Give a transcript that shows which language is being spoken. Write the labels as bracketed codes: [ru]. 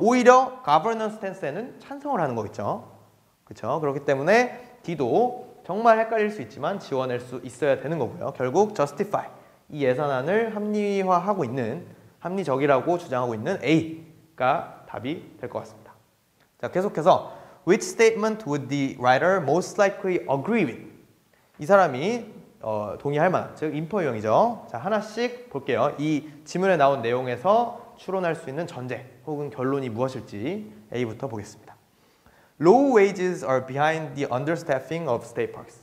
[ko] 오히려 가버너 스탠스에는 찬성을 하는 거겠죠. 그렇죠? 그렇기 때문에 D도 정말 헷갈릴 수 있지만 지워낼 수 있어야 되는 거고요. 결국 justify, 이 예산안을 합리화하고 있는, 합리적이라고 주장하고 있는 A가 답이 될 것 같습니다. 자, 계속해서 [en] which statement would the writer most likely agree with? [ko] 이 사람이 동의할 만한, 즉 인퍼 유형이죠. 자, 하나씩 볼게요. 이 지문에 나온 내용에서 추론할 수 있는 전제 혹은 결론이 무엇일지 A부터 보겠습니다. [en] Low wages are behind the understaffing of state parks.